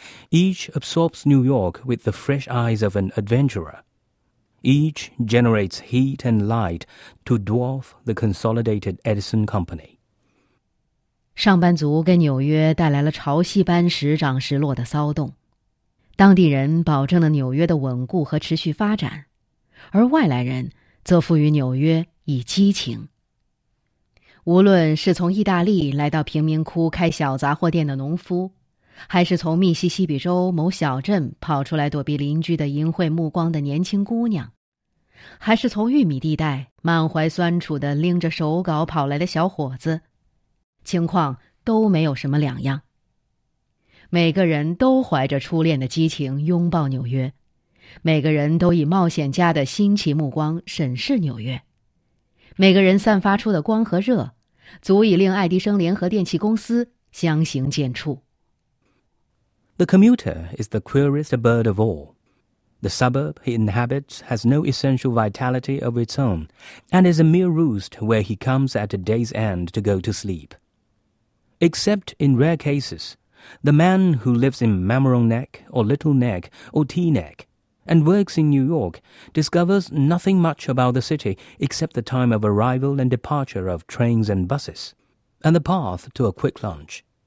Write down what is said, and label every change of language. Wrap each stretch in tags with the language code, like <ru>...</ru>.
<en>Each absorbs New York with the fresh eyes of an adventurer. Each generates heat and light to dwarf the consolidated Edison Company.</en> <zh>上班族给纽约带来了潮汐般时涨时落的骚动。当地人保证了纽约的稳固和持续发展，而外来人则赋予纽约以激情。无论是从意大利来到贫民窟开小杂货店的农夫，还是从密西西比州某小镇跑出来躲避邻居的淫秽目光的年轻姑娘，还是从玉米地带满怀酸楚地拎着手稿跑来的小伙子，情况都没有什么两样。每个人都怀着初恋的激情拥抱纽约，每个人都以冒险家的新奇目光审视纽约，每个人散发出的光和热，足以令爱迪生联合电器公司相形见绌。</zh> <en>The commuter is the queerest bird of all. The suburb he inhabits has no essential vitality of its own, and is a mere roost where he comes at a day's end to go to sleep. Except in rare cases, the man who lives in Mamaroneck Neck or Little Neck or T Neck and works in New York discovers nothing much about the city except the time of arrival and departure of trains and buses, and the path to a quick lunch.</en>